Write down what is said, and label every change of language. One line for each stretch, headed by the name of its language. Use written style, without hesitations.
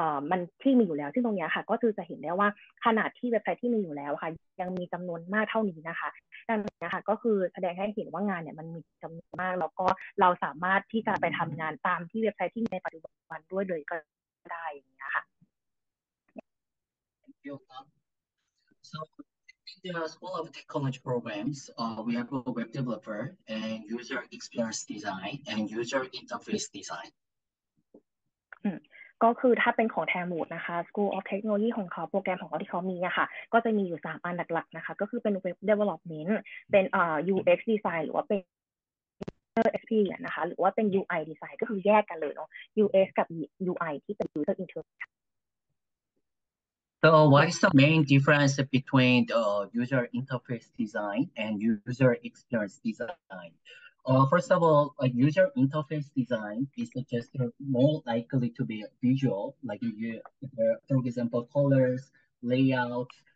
Thai: มันที่มีอยู่แล้วซึ่งตรงนี้ค่ะก็คือจะเห็นได้ว่าขนาดที่เว็บไซต์ที่มีอยู่แล้วค่ะยังมีจํานวนมากเท่านี้นะคะดังนั้นนะคะก็คือแสดงให้เห็นว่างานเนี่ยมันมีจํานวนมากแล้วก็เราสามารถที่จะไปทํางานตามที่เว็บไซต์ที่ในปัจจุบันด้วยเลยก็ได้อย่างเงี้ยค่ะ
English: So in the School of Technology Programs, we have a web developer and user experience design and user interface design.
Thai: ก็คือถ้าเป็นของแทมูดนะคะ School of Technology ของเขาโปรแกรมของเขาที่เขามีอะค่ะก็จะมีอยู่3อันหลักๆนะคะก็คือเป็น Web Development เป็น UX Design หรือว่าเป็น User Experience นะคะหรือว่าเป็น UI Design ก็คือแยกกันเลยเนาะ UX กับ UI ที่เป็น User Interface
English: So what is the main difference between the user interface design and user experience design? First of all, a user interface design is just more likely to be visual, like you, for example, colors, layouts.